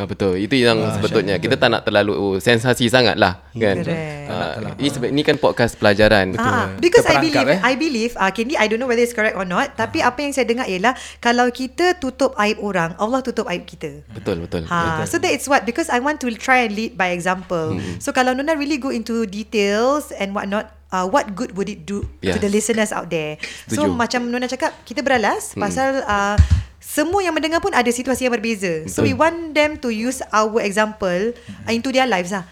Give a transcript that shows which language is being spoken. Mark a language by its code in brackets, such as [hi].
[ms] Betul, itu yang sebetulnya kita tak nak terlalu sensasi sangat lah, kan? Ini kan podcast pelajaran. [en] Because I believe, Candy, I don't know whether it's correct or not. [ms] Tapi apa yang saya dengar ialah kalau kita tutup aib orang, Allah tutup aib kita. Betul. [en] So that it's what, because I want to try and lead by example. So [ms] kalau [en] Nona really go into details and what not. What good would it do to the listeners out there? Setuju. [ms] So macam Nona cakap, kita beralas pasal semua yang mendengar pun ada situasi yang berbeza. [en] So we want them to use our example into their lives lah.